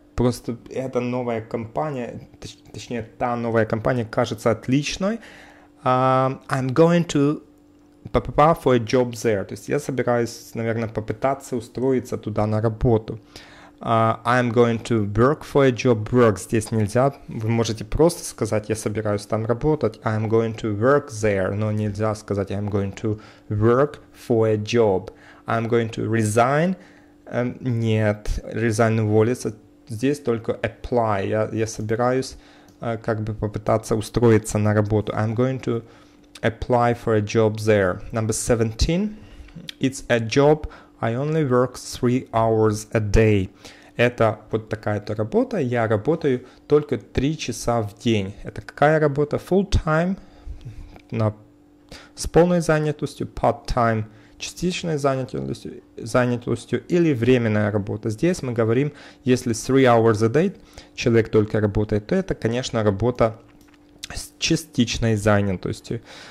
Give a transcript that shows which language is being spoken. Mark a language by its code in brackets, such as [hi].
[ru] Просто эта новая компания, точнее, та новая компания кажется отличной. [en] I'm going to prepare for a job there. [ru] То есть я собираюсь, наверное, попытаться устроиться туда на работу. [en] I'm going to work for a job. Work [ru] здесь нельзя. Вы можете просто сказать, я собираюсь там работать. [en] I'm going to work there. [ru] Но нельзя сказать, [en] I'm going to work for a job. I'm going to resign. Нет, resign уволиться. [ru] Здесь только apply. Я собираюсь как бы попытаться устроиться на работу. [en] I'm going to apply for a job there. Number 17. It's a job I only work 3 hours a day. [ru] Это вот такая-то работа. Я работаю только 3 часа в день. Это какая работа? Full-time, с полной занятостью, part-time, частичной занятостью или временная работа. Здесь мы говорим, если [en] 3 hours a day [ru] человек только работает, то это, конечно, работа с частичной занятостью.